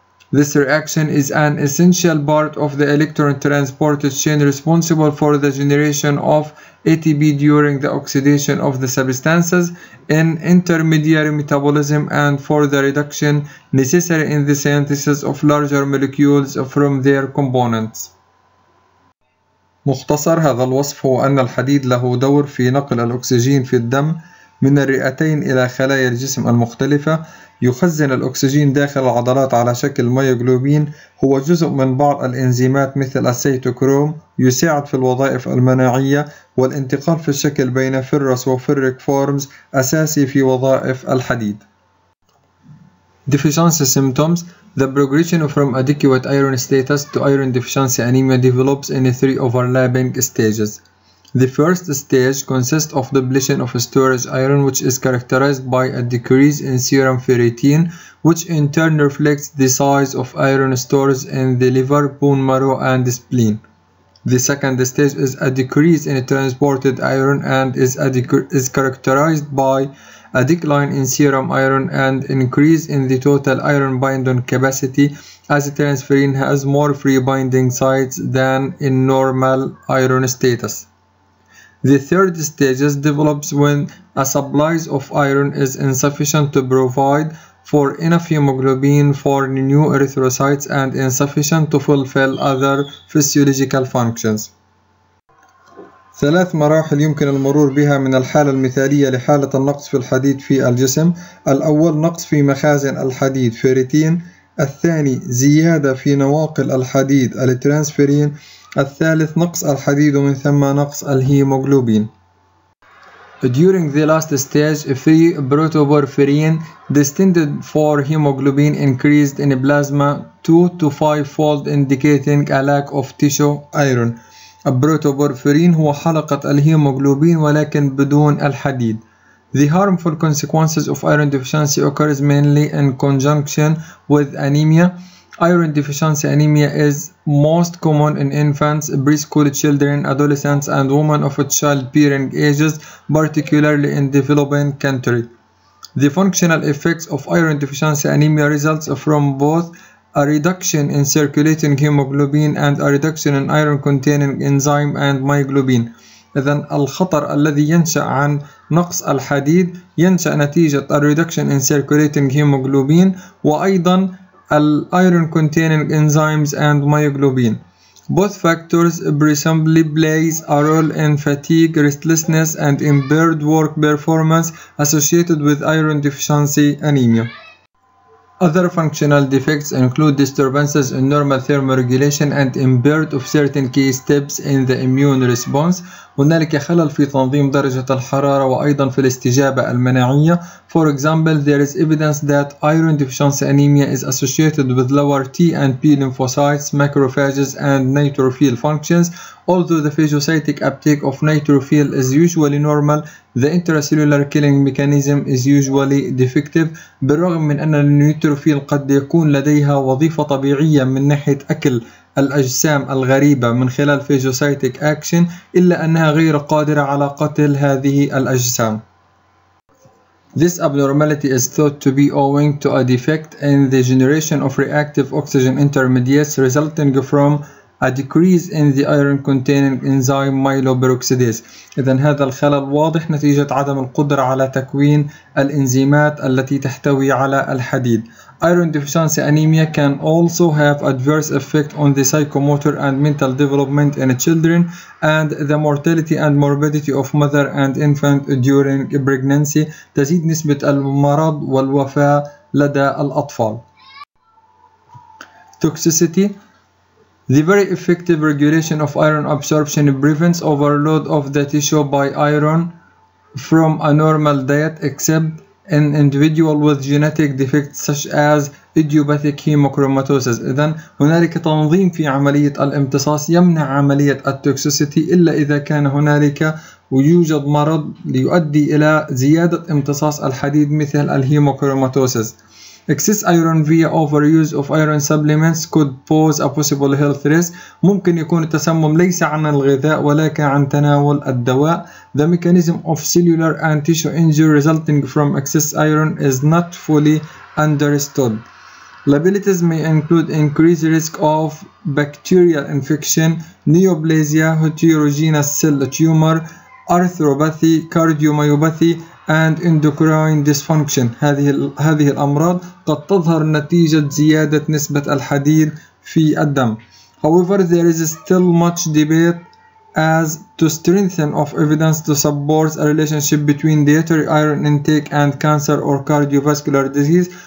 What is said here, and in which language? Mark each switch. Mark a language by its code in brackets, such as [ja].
[en] This reaction is an essential part of the electron transport chain responsible for the generation of ATP during the oxidation of the substances in intermediary metabolism and for the reduction necessary in the synthesis of larger molecules from their components. [ar] مختصر هذا الوصف هو أن الحديد له دور في نقل الأكسجين في الدم من الرئتين إلى خلايا الجسم المختلفة. يخزن الأكسجين داخل العضلات على شكل مايوغلوبين. هو جزء من بعض الإنزيمات مثل السيتوكروم. يساعد في الوظائف المناعية والانتقال في الشكل بين فيروس وفيريك فورمز، أساسي في وظائف الحديد. [en] Deficiency symptoms. The progression from adequate iron status to iron deficiency anemia develops in three overlapping stages. The first stage consists of depletion of storage iron, which is characterized by a decrease in serum ferritin, which in turn reflects the size of iron stores in the liver, bone marrow, and spleen. The second stage is a decrease in transported iron and is characterized by a decline in serum iron and increase in the total iron binding capacity, as transferrin has more free binding sites than in normal iron status. The third stage develops when a supply of iron is insufficient to provide for enough hemoglobin for new erythrocytes and insufficient to fulfill other physiological functions. [ar] ثلاث مراحل يمكن المرور بها من الحالة المثالية لحالة النقص في الحديد في الجسم. الأول نقص في مخازن الحديد فيريتين. الثاني زيادة في نواقل الحديد الترانسفيرين. الثالث نقص الحديد ومن ثم نقص الهيموغلوبين. [en] During the last stage, free protoporphyrin destined for hemoglobin increased in plasma 2 to 5-fold, indicating a lack of tissue iron. [ar] Protoporphyrin هو حلقة الهيموغلوبين ولكن بدون الحديد. [en] The harmful consequences of iron deficiency occurs mainly in conjunction with anemia. Iron deficiency anemia is most common in infants, preschool children, adolescents, and women of childbearing ages, particularly in developing countries. The functional effects of iron deficiency anemia results from both a reduction in circulating hemoglobin and a reduction in iron-containing enzyme and myoglobin. [ar] إذن الخطر الذي ينشأ عن نقص الحديد ينشأ نتيجة الـ [en] reduction in circulating hemoglobin [ar] وأيضا الـ [en] iron containing enzymes and myoglobin. Both factors presumably play a role in fatigue, restlessness and impaired work performance associated with iron deficiency anemia. Other functional defects include disturbances in normal thermoregulation and impaired of certain key steps in the immune response. [ar] هنالك خلل في تنظيم درجة الحرارة وأيضا في الاستجابة المناعية. [en] For example, there is evidence that iron deficiency anemia is associated with lower T and B lymphocytes, macrophages and neutrophil functions. Although the phagocytic uptake of neutrophil is usually normal, the intracellular killing mechanism is usually defective. [ar] بالرغم من أن النيوتروفيل قد يكون لديها وظيفة طبيعية من ناحية أكل الأجسام الغريبة من خلال [en] phagocytic action، [ar] إلا أنها غير قادرة على قتل هذه الأجسام. [en] This abnormality is thought to be owing to a defect in the generation of reactive oxygen intermediates resulting from a decrease in the iron containing enzyme myeloperoxidase. [ar] إذن هذا الخلل واضح نتيجة عدم القدرة على تكوين الإنزيمات التي تحتوي على الحديد. [en] Iron deficiency anemia can also have adverse effect on the psychomotor and mental development in children and the mortality and morbidity of mother and infant during pregnancy. [ar] تزيد نسبة المرض والوفاة لدى الأطفال. [en] Toxicity. The very effective regulation of iron absorption prevents overload of the tissue by iron from a normal diet except in individual with genetic defects such as idiopathic hemochromatosis. [ar] إذن هنالك تنظيم في عملية الامتصاص يمنع عملية التوكسيسيتي إلا إذا كان هنالك ويوجد مرض ليؤدي إلى زيادة امتصاص الحديد مثل الهيموكروماتوسيس. [en] Excess iron via overuse of iron supplements could pose a possible health risk. [ar] ممكن يكون التسمم ليس عن الغذاء ولكن عن تناول الدواء. [en] The mechanism of cellular and tissue injury resulting from excess iron is not fully understood. Liabilities may include increased risk of bacterial infection, neoplasia, heterogeneous cell tumor, arthropathy, cardiomyopathy, and endocrine dysfunction. [ar] هذه الأمراض قد تظهر نتيجة زيادة نسبة الحديد في الدم. [en] However, there is still much debate as to strengthen of evidence to support a relationship between dietary iron intake and cancer or cardiovascular disease.